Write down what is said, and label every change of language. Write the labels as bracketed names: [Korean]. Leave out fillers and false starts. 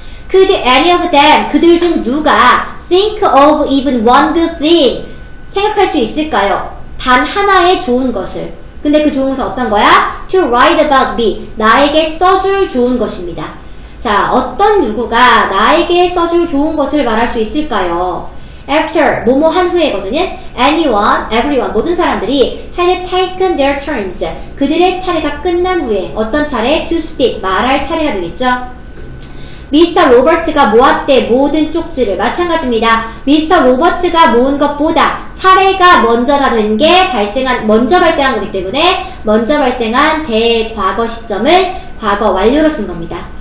[English] Could any of them, [Korean] 그들 중 누가 [English] think of even one good thing, [Korean] 생각할 수 있을까요? 단 하나의 좋은 것을. 근데 그 좋은 것은 어떤 거야? [English] To write about me. [Korean] 나에게 써줄 좋은 것입니다. 자, 어떤 누구가 나에게 써줄 좋은 것을 말할 수 있을까요? After, 뭐뭐 한 후에거든요. [English] Anyone, everyone, [Korean] 모든 사람들이 [English] had taken their turns. [Korean] 그들의 차례가 끝난 후에 어떤 차례? [English] To speak, [Korean] 말할 차례가 되겠죠. Mr. Robert가 모았대, 모든 쪽지를. 마찬가지입니다. Mr. Robert가 모은 것보다 차례가 먼저다 된 게 먼저 발생한 거기 때문에 먼저 발생한 대과거 시점을 과거 완료로 쓴 겁니다.